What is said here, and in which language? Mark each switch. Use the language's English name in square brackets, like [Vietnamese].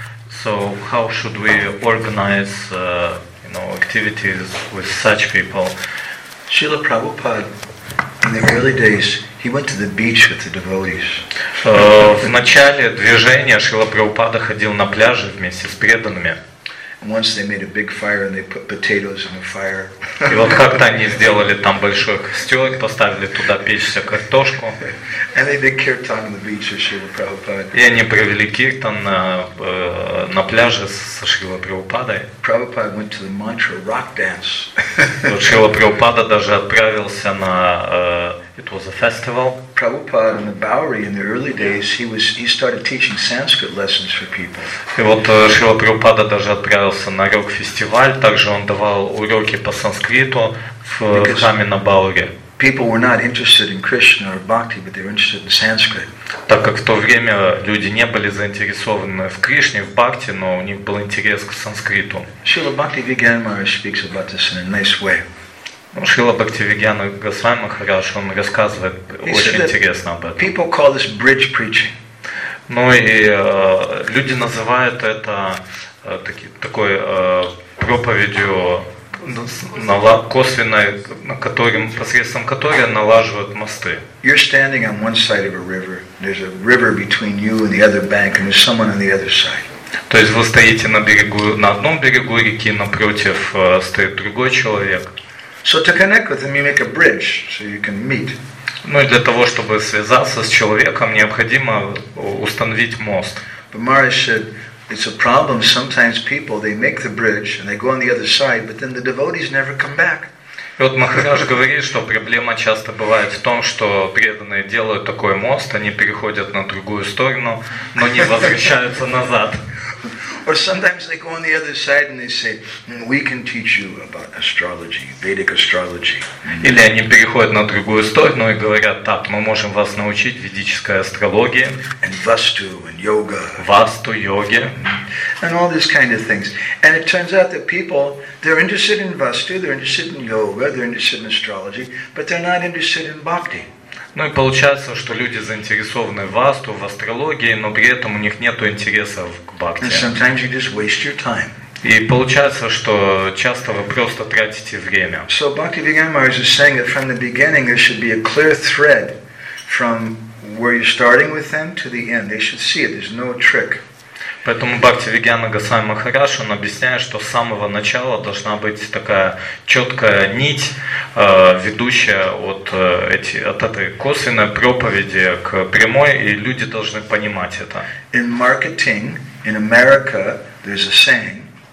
[English] So how should we organize no activities with such people? Srila Prabhupada, in the early days, he went to the beach with the devotees. [Russian] В начале движения Шрила Прабхупада ходил на пляже вместе с преданными. [English] Once they made a big fire and they put potatoes in the fire. [Russian] И вот как-то они сделали там большой костер, поставили туда печься картошку. [English] And they did kirtan on the beach with Srila Prabhupada. [Russian] И они провели киртан на пляже со Шрила Прабхупадой. [English] Prabhupada went to the mantra rock dance. [Russian] Вот Шрила Прабхупада даже отправился на [English] it was a festival. Prabhupada in the Bowery in the early days, he started teaching Sanskrit lessons for people. [Russian] И вот Шрила Прабхупада даже отправился на рок-фестиваль, также он давал уроки по санскриту в храме на Бауре. [English] People were not interested in Krishna or Bhakti, but they were interested in Sanskrit. [Russian] Так как в то время люди не были заинтересованы в Кришне, в Бхакти, но у них был интерес к санскриту. [English] Srila Bhakti Vigyan Maharaj speaks about this in a nice way. [Russian] Шрила Бхактивиджана Госвами Махарадж, он рассказывает очень интересно об этом. [English] People call this bridge preaching. [Russian] Ну и люди называют это такой проповедью косвенной, посредством которой налаживают мосты. [English] You're standing on one side of a river. There's a river between you and the other bank, and there's someone on the other side. [Russian] То есть вы стоите на одном берегу реки, напротив стоит другой человек. [English] So to connect with him, you make a bridge, so you can meet. [Russian] Ну и для того, чтобы связаться с человеком, необходимо установить мост. [English] But Maharaj said, it's a problem. Sometimes people they make the bridge and they go on the other side, but then the devotees never come back. [Russian] Вот Махарадж говорит, что проблема часто бывает в том, что преданные делают такой мост, они переходят на другую сторону, но не возвращаются назад. [English] Or sometimes they go on the other side and they say, we can teach you about astrology, Vedic astrology. [Russian] Или они переходят на другую сторону и говорят, так, мы можем вас научить ведической астрологии. [English] And Vastu and yoga. [Russian] Vastu, йоги. [English] And all these kind of things. And it turns out that people, they're interested in Vastu, they're interested in yoga, they're interested in astrology, but they're not interested in bhakti. [Russian] Ну и получается, что люди заинтересованы в асту, в астрологии, но при этом у них нет интереса к бхакти. [English] And sometimes you just waste your time. [Russian] И получается, что часто вы просто тратите время. [English] So Bhakti Vigyan Maharaj is saying that from the beginning there should be a clear thread from where you're starting with them to the end. They should see it. There's no trick. [Russian] Поэтому Бхакти Вигьяна Госвами Махарадж, он объясняет, что с самого начала должна быть такая четкая нить, ведущая от этой косвенной проповеди к прямой, и люди должны понимать это. [English] In marketing, in America, there's a saying.